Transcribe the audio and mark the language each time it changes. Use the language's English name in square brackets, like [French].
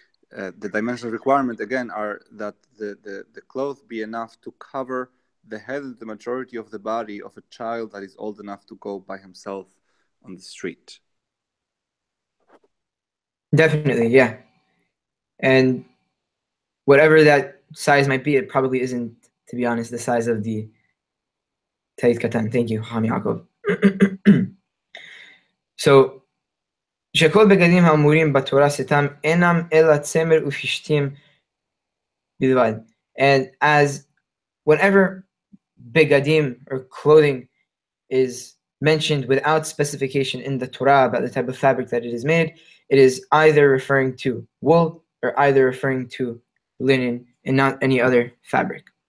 [English] The dimensions requirement, again, are that the cloth be enough to cover the head and the majority of the body of a child that is old enough to go by himself on the street. Definitely, yeah. And whatever that size might be, it probably isn't, to be honest, the size of the Tait Katan. Thank you, Hami Yaakov. So, [Hebrew] שכל בגדים האמורים בתורה סתם אינם אלא צמר ופשטים בלבד. [English] And as whenever בגדים or clothing is mentioned without specification in the Torah about the type of fabric that it is made, it is either referring to wool or either referring to linen and not any other fabric.